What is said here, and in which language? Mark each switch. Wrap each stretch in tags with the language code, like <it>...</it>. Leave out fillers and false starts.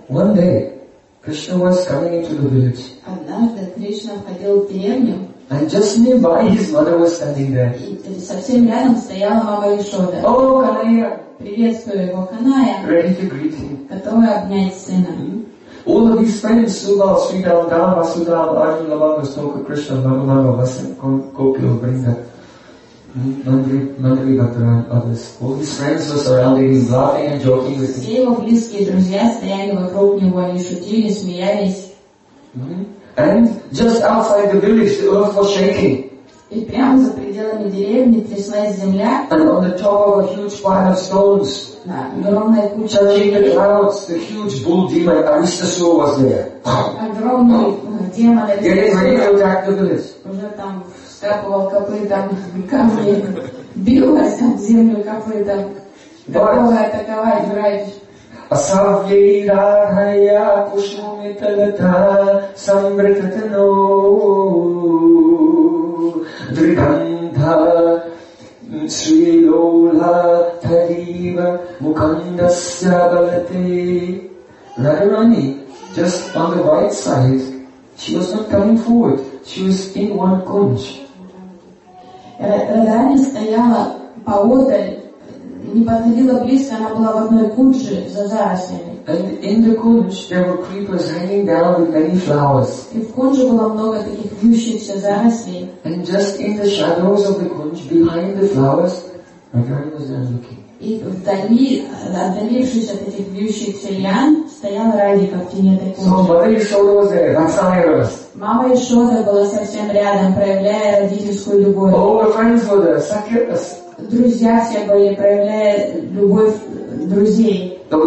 <en>one day Krishna was coming into the village.</en> <ru>Однажды Кришна входил в деревню.</ru> <en>And just nearby, his mother was standing there.</en> <ru>Совсем рядом стояла мама Ишода.</ru> <en>Oh, Kanaya!</en> <ru>Приветствую его, Kanaya.</ru> <en>Ready to greet him.</en> <ru>Готовы обнять сына.</ru> <en>All of his friends, Subal, Sridhar, Dharma, Sudhar, Arjuna, Bhagavad, Stoka, Krishna, Bhagavad, Vasa, Kopil, Vrinda, Mandri, Bhattara, and others. All his friends were surrounding him, laughing and joking with him.</en> <ru>Все его близкие друзья стояли вокруг него, они шутили, смеялись.</ru> <en>And just outside the village, the earth was shaking.</en> <ru>И прямо за пределами деревни тряслась земля.</ru> <en>And on the top of a huge pile of stones,</en> <ru>огромная куча</ru> <en>the clouds, the huge bull demon, Aristasur was there.</en> <ru>Огромный демон.</ru> <en>Getting ready to attack the village.</en> <ru>Уже там скапывал копыта, камни, билась там землю копыта, готовая атаковать врач.</ru> <sa>Asavyairahaya kushumitalata samritatano drigandha srilola thariva mukandasya balate.</sa> <en>Radharani, just on the right side, she was not coming forward. She was in one kunj.</en> <ru>Radharani стояла поодаль. Не подходила близко, она была в одной кунже за зарослями. И в кунже было много таких вьющихся зарослей.</ru> <en>And just in the shadows of the kunj, behind the flowers, Radharani was there looking.</en> <ru>И вдали, отдалившись от этих вьющихся лиан, стояла Радика в тени этой кунжи.</ru> <en>So Mother Ishoda was there, that's Sahiras.</en> <ru>Мама Ишода была совсем рядом, проявляя родительскую любовь.</ru> <en>All the friends were there, Sakiras.</en> <ru>Друзья все были, проявляя любовь друзей.</ru>